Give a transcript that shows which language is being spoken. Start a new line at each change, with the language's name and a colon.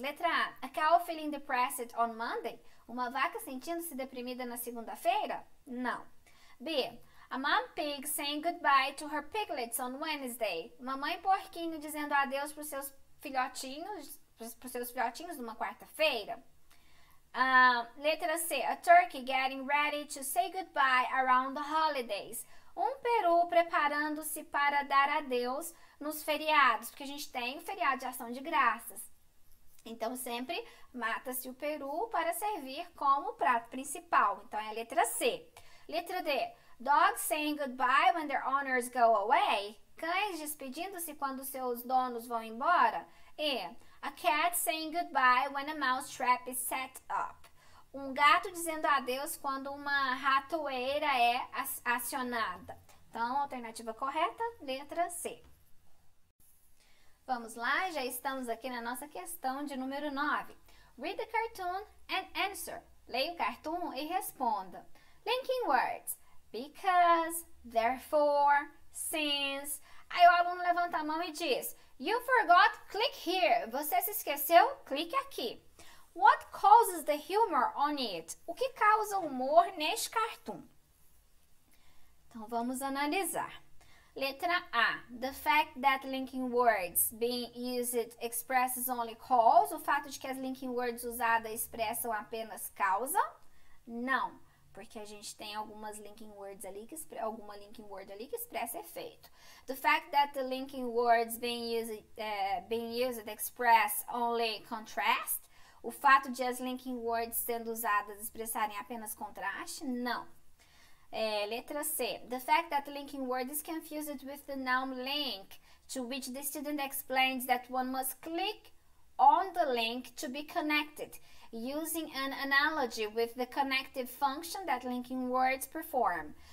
Portuguese: Letra A.
English: A cow feeling depressed on Monday?
Portuguese: Uma vaca sentindo-se deprimida na segunda-feira? Não. B.
English: A mom pig saying goodbye to her piglets on Wednesday.
Portuguese: Mamãe porquinho dizendo adeus para os seus filhotinhos, numa quarta-feira. Letra C.
English: A turkey getting ready to say goodbye around the holidays.
Portuguese: Um peru preparando-se para dar adeus nos feriados, porque a gente tem o feriado de Ação de Graças. Então, sempre mata-se o peru para servir como prato principal. Então, é a letra C. Letra D.
English: Dogs saying goodbye when their owners go away.
Portuguese: Cães despedindo-se quando seus donos vão embora. E.
English: A cat saying goodbye when a mouse trap is set up.
Portuguese: Um gato dizendo adeus quando uma ratoeira é acionada. Então, alternativa correta, letra C. Vamos lá, já estamos aqui na nossa questão de número 9.
English: Read the cartoon and answer.
Portuguese: Leia o cartoon e responda.
English: Linking words. Because, therefore, since.
Portuguese: Aí o aluno levanta a mão e diz:
English: You forgot, click here.
Portuguese: Você se esqueceu? Clique aqui.
English: What causes the humor on it?
Portuguese: O que causa o humor neste cartoon? Então vamos analisar. Letra A.
English: The fact that linking words being used expresses only cause.
Portuguese: O fato de que as linking words usadas expressam apenas causa? Não. Porque a gente tem algumas linking words ali que alguma linking word ali que expressa efeito.
English: The fact that the linking words being used express only contrast.
Portuguese: O fato de as linking words sendo usadas expressarem apenas contraste? Não. Letra C.
English: The fact that the linking word is confused with the noun link, to which the student explains that one must click on the link to be connected, using an analogy with the connective function that linking words perform.